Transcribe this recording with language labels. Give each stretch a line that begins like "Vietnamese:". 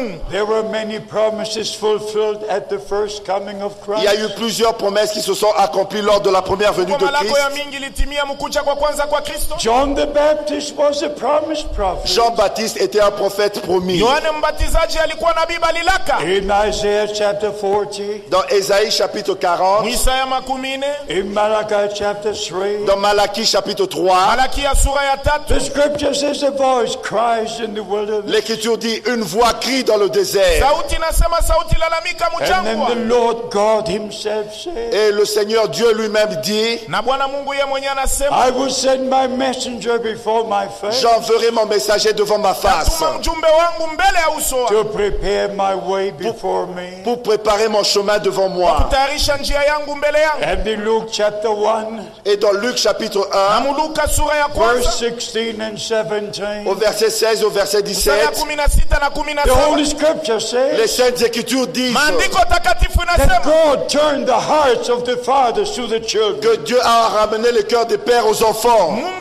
English: There were many promises fulfilled at the first coming of Christ.
French: Il y a eu plusieurs promesses qui se sont accomplies lors de la première venue de Christ.
English: John the Baptist was a promised prophet.
French: Jean-Baptiste était un prophète promis.
Swahili: Yohane mbatizaji alikuwa nabii balilaka.
English: In Isaiah chapter 40.
French: Dans Ésaïe chapitre 40.
English: In Malachi chapter 3.
French: Dans Malachi chapitre 3.
Swahili: Malachi sura ya 3.
English: The scripture says a voice cries in the wilderness.
French: L'écriture dit une voix crie dans le désert.
Swahili: Sauti nasema sauti lalamika mujangwa.
English: And then the Lord God himself said.
French: Et le Seigneur Dieu lui-même dit.
Swahili: Na Bwana Mungu yeye mwenyewe anasema.
English: I will send my messenger before my face.
French: J'enverrai mon messager devant ma face.
Swahili: Na mjumbe wangu mbele ya uso wangu.
English: To prepare my way before me.
French: Pour préparer mon chemin devant moi.
Swahili: Kutayarisha njia yangu.
English: And in Luke chapter 1,
French: et dans Luc chapitre 1,
Swahili: Luke, sura ya
English: verse 16 and 17,
French: au verset 16 au verset 17,
English: the Holy Scripture says,
French: les Saintes Écritures disent,
English: that God turned the hearts of the fathers to the children.
French: Que Dieu a ramené le cœur des pères aux enfants.